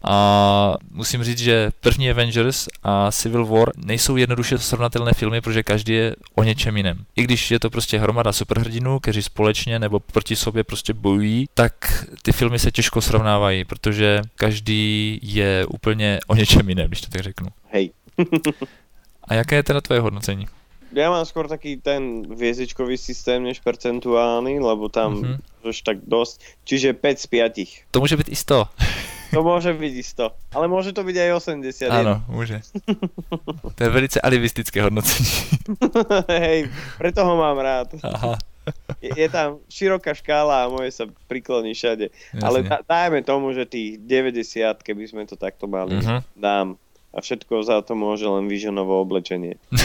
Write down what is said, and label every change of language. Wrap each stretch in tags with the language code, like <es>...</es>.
<cs>A musím říct, že první Avengers a Civil War nejsou jednoduše srovnatelné filmy, protože každý je o něčem jiném. I když je to prostě hromada superhrdinů, kteří společně nebo proti sobě prostě bojují, tak ty filmy se těžko srovnávají, protože každý je úplně o něčem jiném, když to tak řeknu.</cs> <sk>Hej.</sk> <cs>A jaké je teda tvoje hodnocení?</cs> <sk>Ja mám skôr taký ten hviezdičkový systém než percentuálny, lebo tam už tak dosť. Čiže 5 z 5. To môže byť isto. To môže byť isto. Ale môže to byť aj 81. Áno, môže. To je velice alibistické hodnocenie. Hej, preto ho mám rád. Aha. Je tam široká škála a moje sa prikloní všade. Jasne. Ale dajme tomu, že tých 90, keby sme to takto mali, dám. A všetko za to môže len Visionovo oblečenie.</sk>